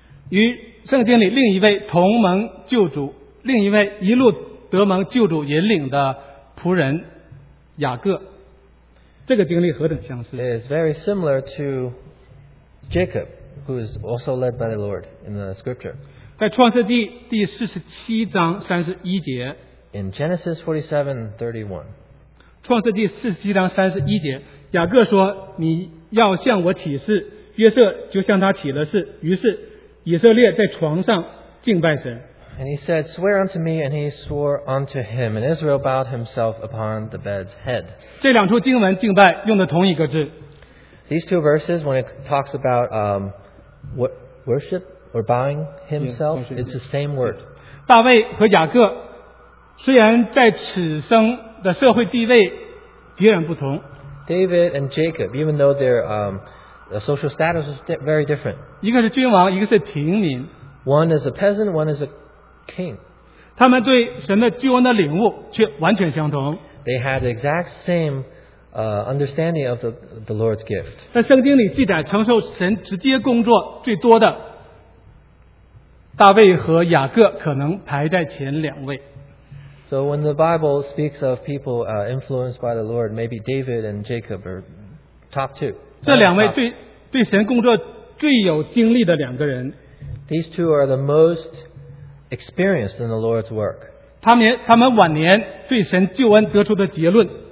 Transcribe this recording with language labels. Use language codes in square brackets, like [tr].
[zh] 与圣经里另一位同盟救主，另一位一路得蒙救主引领的仆人雅各。这个经历何等相似。 [en] It is very similar to Jacob, who is also led by the Lord in the scripture. [zh] 在创世纪第四十七章三十一节。 [en] In Genesis 47:31. [zh] 创世纪四十七章三十一节，雅各说：“你要向我起誓。” 约瑟就向他起了誓。于是以色列在床上敬拜神。 [en] And he said, "Swear unto me," and he swore unto him. And Israel bowed himself upon the bed's head. [zh] 这两处经文敬拜用的同一个字。 [en] These two verses, when it talks about worship or bowing himself, yeah, it's the same word. [zh] 大卫和雅各虽然在此生的社会地位截然不同。 [en] David and Jacob, even though their social status is very different. [zh] 一个是君王，一个是平民。 [en] One is a peasant, one is a King. [zh] 他们对神的救恩的领悟却完全相同。 [en] They had the exact same understanding of the Lord's gift. [zh] 在圣经里记载，承受神直接工作最多的，大卫和雅各可能排在前两位。 [en] So when the Bible speaks of people influenced by the Lord, maybe David and Jacob are top two. [zh] 这两位对神工作最有经历的两个人。 [en] These two are the most experienced in the Lord's work. [zh] 他们晚年对神救恩得出的结论。